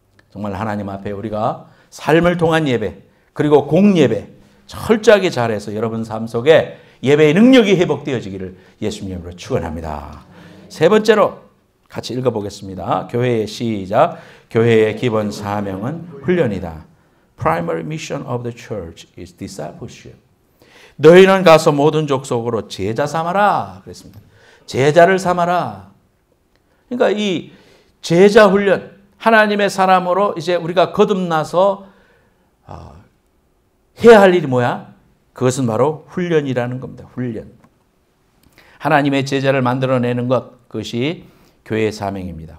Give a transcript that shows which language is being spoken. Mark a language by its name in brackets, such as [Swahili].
[Korean] 정말 하나님 앞에 우리가 삶을 통한 예배, 그리고 공예배 철저하게 잘해서 여러분 삶 속에 예배의 능력이 회복되어지기를 예수님의 이름으로 축원합니다. 세 번째로 같이 읽어보겠습니다. 교회의 시작. 교회의 기본 사명은 훈련이다. [English] Primary mission of the church is discipleship. [Korean] 너희는 가서 모든 족속으로 제자 삼아라. 그랬습니다. 제자를 삼아라. 그러니까 이 제자 훈련, 하나님의 사람으로 이제 우리가 거듭나서 해야 할 일이 뭐야? 그것은 바로 훈련이라는 겁니다. 훈련. 하나님의 제자를 만들어내는 것, 그것이 교회의 사명입니다.